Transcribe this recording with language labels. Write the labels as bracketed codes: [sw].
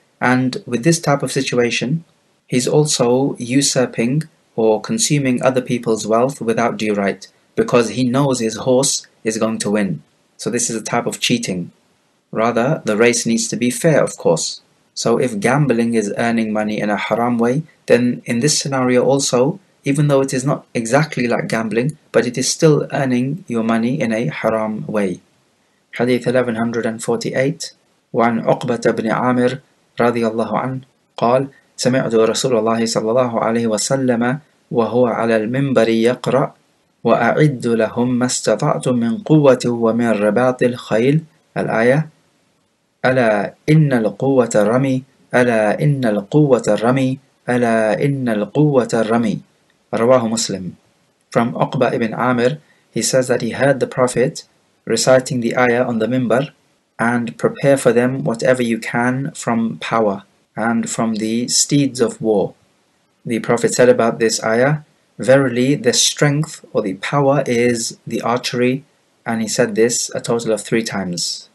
[en] And with this type of situation, he's also usurping or consuming other people's wealth without due right, because he knows his horse is going to win. So this is a type of cheating. Rather, the race needs to be fair, of course. So if gambling is earning money in a haram way, then in this scenario also, even though it is not exactly like gambling, but it is still earning your money in a haram way. Hadith 1148, [ar] وعن عقبة بن عامر رضي الله عنه قال سمعت رسول الله صلى الله عليه وسلم وهو على المنبر يقرأ وأعد لهم ما استطعت من قوة ومن رباط الخيل الآية ألا إن القوة الرمي ألا إن القوة الرمي ألا إن القوة الرمي رواه مسلم. [en] From Uqba ibn Amir, he says that he heard the Prophet reciting the ayah on the minbar, and prepare for them whatever you can from power and from the steeds of war. The Prophet said about this ayah, verily the strength or the power is the archery, and he said this a total of 3 times.